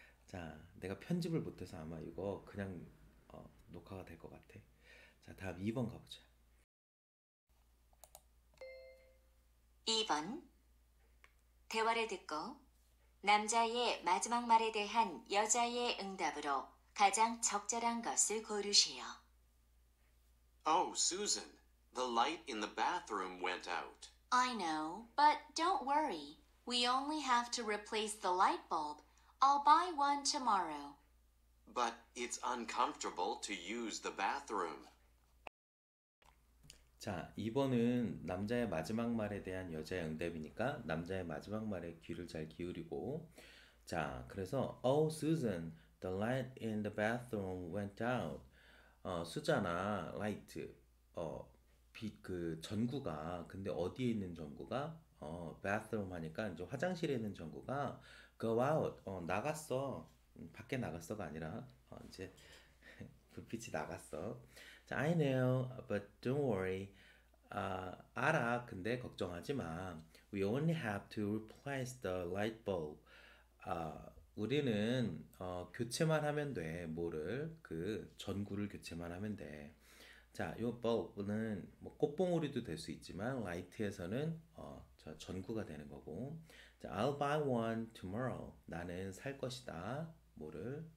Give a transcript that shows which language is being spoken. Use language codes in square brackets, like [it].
[ko] 자, 내가 편집을 못해서 아마 이거 그냥 녹화가 될 것 같아. 자, 다음 2번 가보자. 2번 대화를 듣고 남자의 마지막 말에 대한 여자의 응답으로 가장 적절한 것을 고르시오. [en] Oh, Susan, the light in the bathroom went out. I know, but don't worry. We only have to replace the light bulb. I'll buy one tomorrow. But it's uncomfortable to use the bathroom. [ko] 자, 2번은 남자의 마지막 말에 대한 여자의 응답이니까 남자의 마지막 말에 귀를 잘 기울이고 자, 그래서 [en] Oh, Susan, the light in the bathroom went out. [ko] 수잖아, light. 그 전구가, 근데 어디에 있는 전구가? bathroom 하니까 이제 화장실에 있는 전구가 go out, 나갔어. 밖에 나갔어가 아니라 이제 불빛이 나갔어. [en] I know, but don't worry. [ko] 알아, 근데 걱정하지 마. [en] We only have to replace the light bulb. [ko] 우리는 교체만 하면 돼. 뭐를? 그 전구를 교체만 하면 돼. 자, 요 bulb는 뭐 꽃봉오리도 될 수 있지만 light에서는 전구가 되는 거고. 자, [en] I'll buy one tomorrow. [ko] 나는 살 것이다. 뭐를?